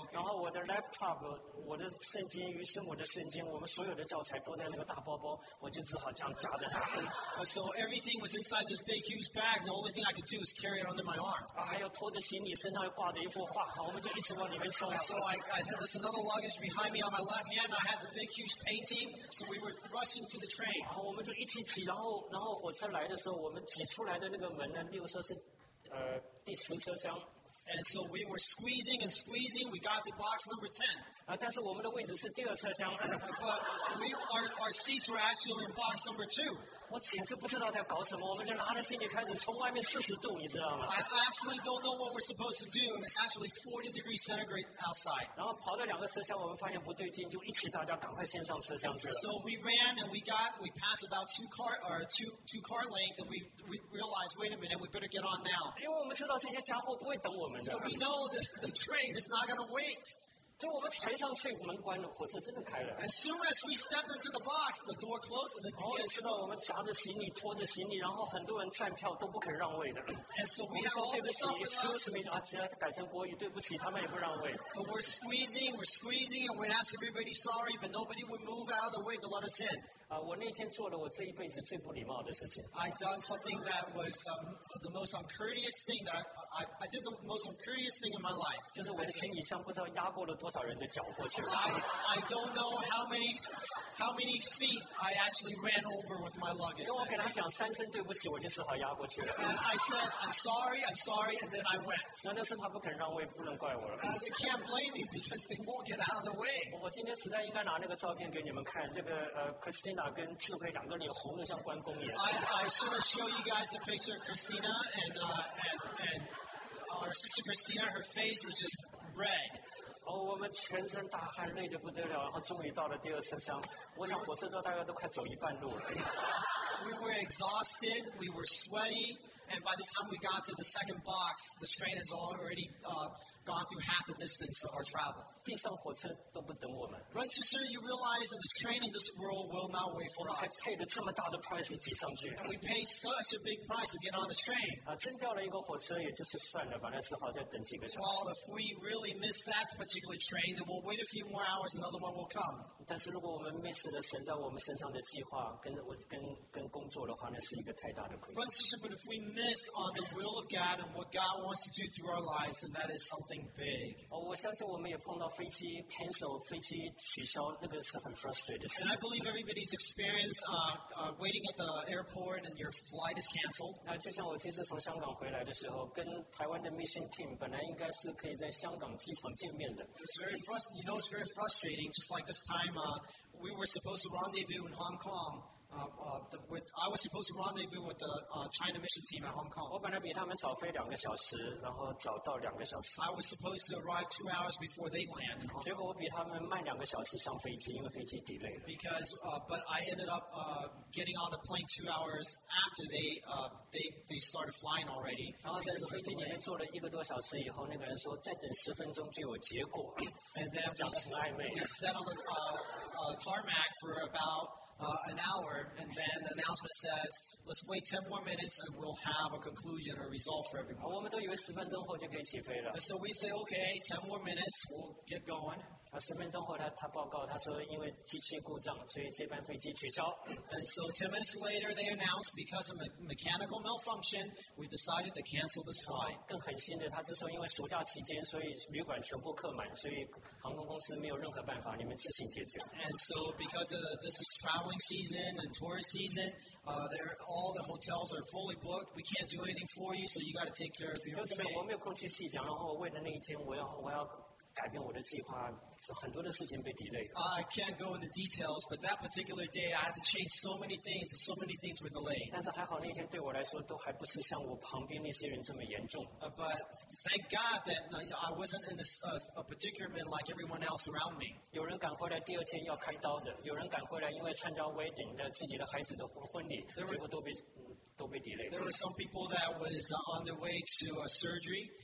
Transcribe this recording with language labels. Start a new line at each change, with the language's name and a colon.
Chinese: 然后我的 laptop， 我的圣经，于是我的圣经，我们所有的教材都在那个大包包，我就只好这样夹着它。
English: So everything was inside this big huge bag. The only thing I could do is carry it under my arm.
Chinese: 啊，还有拖着行李，身上又挂着一幅画，我们就一直往里面送。
English: So I had this another luggage behind me on my left hand. I had the big huge painting. So we were rushing to the train.
Chinese: 然后我们就一起挤，然后火车来的时候，我们挤出来的那个门呢，例如说是第十车厢。
English: And so we were squeezing and squeezing. We got to box number 10.
Chinese: 但是我们的位置是第二车厢。
English: But our seats were actually in box number 2.
Chinese: 我简直不知道在搞什么，我们就拿着行李开始冲外面40度，你知道吗
English: ？I absolutely don't know what we're supposed to do. And it's actually 40 degrees centigrade outside.
Chinese: 然后跑到两个车厢，我们发现不对劲，就一起大家赶快先上车厢去了。
English: So we ran and we passed about two car length, and we realized, wait a minute, we better get on now.
Chinese: 因为我们知道这些家伙不会等我们的。
English: So we know that the train is not going to wait.
Chinese: 就我们踩上去，门关了，火车真的开了。
English: As soon as we stepped into the box, the door closed and the train.
Chinese: 哦，知道我们夹着行李，拖着行李，然后很多人站票都不肯让位的。
English: And so we had all the stuff with us.
Chinese: 啊，只要改成国语，对不起，他们也不让位。
English: But we're squeezing, and we ask everybody sorry, but nobody would move out of the way to let us in.
Chinese: 啊，我那天做了我这一辈子最不礼貌的事情。
English: I done something that was the most uncourteous thing that I did the most uncourteous thing in my life.
Chinese: 就是我的行李箱不知道压过了多少人的脚过去了。
English: I don't know how many feet I actually ran over with my luggage.
Chinese: 因为我跟他讲三声对不起，我就只好压过去了。
English: And I said I'm sorry, and then I went.
Chinese: 那那是他不肯让位，不能怪我了。
English: They can't blame me because they won't get out of the way.
Chinese: 我今天实在应该拿那个照片给你们看，这个Christine。
English: I should have shown you guys the picture of Christina and our sister Christina. Her face was just red.
Chinese: Oh, 我们全身大汗，累得不得了，然后终于到了第二车厢。我想火车都大概都快走一半路了。
English: We were exhausted. We were sweaty. And by the time we got to the second box, the train has already gone through half the distance of our travel.
Chinese: 地上火车都不等我们。
English: Right, so sir, you realize that the train in this world will not wait for us.
Chinese: 还配了这么大的 price 挤上去。
English: And we pay such a big price to get on the train.
Chinese: 啊，真掉了一个火车，也就是算了吧，那只好再等几个小时。
English: Well, if we really miss that particular train, then we'll wait a few more hours, another one will come.
Chinese: 但是如果我们 miss 了神在我们身上的计划，跟工作的话，那是一个太大的亏。
English: Right, so sir, but if we miss on the will of God and what God wants to do through our lives, then that is something big.
Chinese: 哦，我相信我们也碰到。飞机 cancel， 飞机取消，那个是很 frustrating。
English: And I believe everybody's experience waiting at the airport and your flight is canceled。
Chinese: 那就像我这次从香港回来的时候，跟台湾的 mission team 本来应该是可以在香港机场见面的。
English: It's very frustrating. You know, it's very frustrating. Just like this time, we were supposed to rendezvous in Hong Kong. I was supposed to rendezvous with the China mission team at Hong Kong.
Chinese: 我本来比他们早飞两个小时，然后早到两个小时。
English: I was supposed to arrive 2 hours before they land.
Chinese: 结果我比他们慢两个小时上飞机，因为飞机 delay 了。
English: Because but I ended up getting on the plane 2 hours after they started flying already.
Chinese: 然后在飞机里面坐了一个多小时以后，那个人说再等十分钟就有结果。
English: And then
Chinese: 讲得很暧昧。
English: We sat on the tarmac for about. An hour, and then the announcement says, "Let's wait 10 more minutes, and we'll have a conclusion or result for everybody."
Chinese: 我们都以为十分钟后就可以起飞了。
English: So we say, "Okay, 10 more minutes, we'll get going."
Chinese: 啊，十分钟后他报告，他说因为机器故障，所以这班飞机取消。
English: And so 10 minutes later, they announced because of mechanical malfunction, we decided to cancel this flight.
Chinese: 更狠心的，他是说因为暑假期间，所以旅馆全部客满，所以航空公司没有任何办法，你们自行解决。
English: And so because of this is traveling season and tourist season, all the hotels are fully booked. We can't do anything for you, so you got to take care of your stay.
Chinese: 我没有空去细讲，然后为了那一天，我要。改变我的计划，是很多的事情被 delay 了。
English: I can't go into details, but that particular day, I had to change so many things, and so many things were delayed.
Chinese: 但是还好那天对我来说都还不是像我旁边那些人这么严重。
English: But thank God that I wasn't in a predicament like everyone else around me.
Chinese: 有人赶回来第二天要开刀的，有人赶回来因为参加 wedding 的自己的孩子的婚礼，结果都被 delay 了。
English: There were some people that was on their way to a surgery.